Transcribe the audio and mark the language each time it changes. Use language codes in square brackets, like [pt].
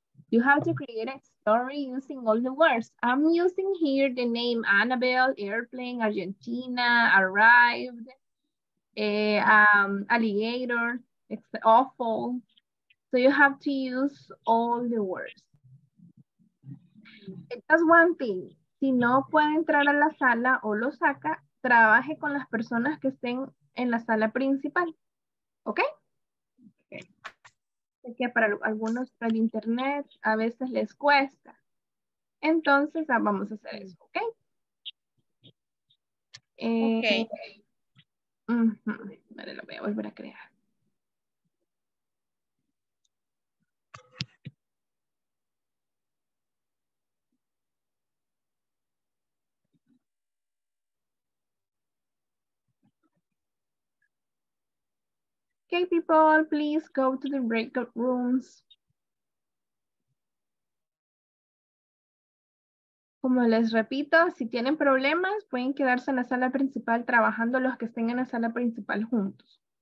[en] You have to create a story using all the words. I'm using here the name Annabelle, airplane, Argentina, arrived, alligator, it's awful. So you have to use all the words. Just one thing. [es] Si no puede entrar a la sala o lo saca, trabaje con las personas que estén en la sala principal. ¿Ok? Sé que para algunos del internet a veces les cuesta. Entonces vamos a hacer eso, ¿ok? Ok. Vale, lo voy a volver a crear. [en] Okay, people, please go to the breakout rooms. [es] Como les repito, si tienen problemas, pueden quedarse en la sala principal trabajando los que estén en la sala principal juntos.